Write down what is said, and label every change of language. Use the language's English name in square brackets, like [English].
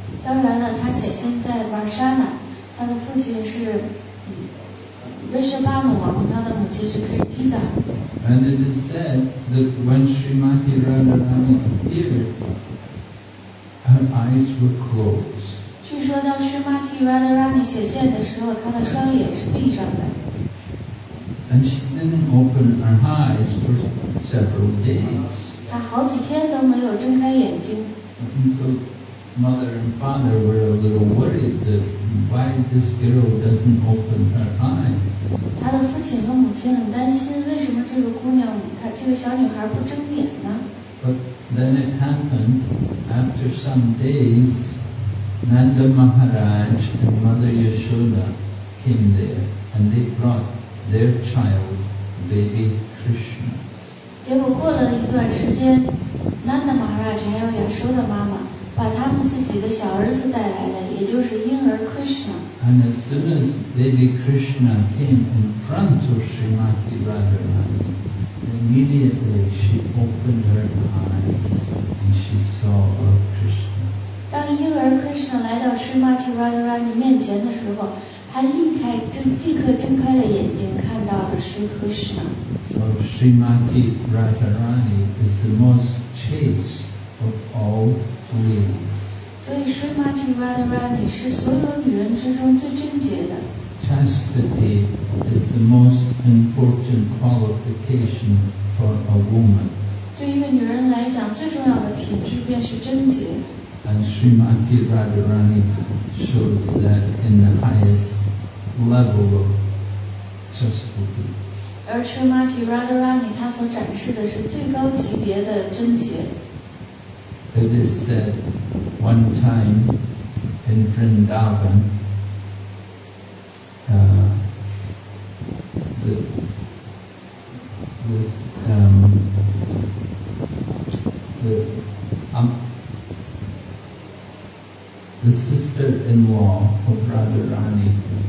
[Chinese] 当然了，她显现在 Varsana， 她的父亲是 Vrishabhanu 王，她的母亲是 Kirtika. [English] And it is said that when Srimati Radharani appeared, her eyes were closed. [Chinese] 据说当须玛提·瓦德拉米显现的时候，他的双眼是闭上的。 [English] And she didn't open her eyes for several days. [Chinese] 她好几天都没有睁开眼睛。 [English] So mother and father were a little worried that why this girl doesn't open her eyes. [Chinese] 她的父亲和母亲很担心，为什么这个姑娘，她这个小女孩不睁眼呢？ [English] But then it happened, after some days, Nanda Maharaj and Mother Yashoda came there, and they brought their child, baby Krishna. [Chinese] 结果过了一段时间 ，Nanda Maharaj 还有 Yashoda 妈妈把他们自己的小儿子带来了，也就是婴儿 Krishna. [English] And as soon as baby Krishna came in front of Srimati Radharani, immediately she opened her eyes and she saw Lord Krishna. [Chinese] 当婴儿 Krishna 来到 Srimati Radharani 面前的时候。他立刻睁开了眼睛，看到了是 Krishna。 [English] So Srimati Radharani is the most chaste of all ladies. [Chinese] 所以 Srimati Radharani 是所有女人之中最贞洁的。 [English] Chastity is the most important qualification for a woman. [Chinese] 对一个女人来讲，最重要的品质便是贞洁。 [English] And Srimati Radharani shows that in the highest. Level of chastity. [Chinese] 而 Srimati Radharani 她所展示的是最高级别的贞洁。 [English] It is said one time in Vrindavan, the sister-in-law of Radharani.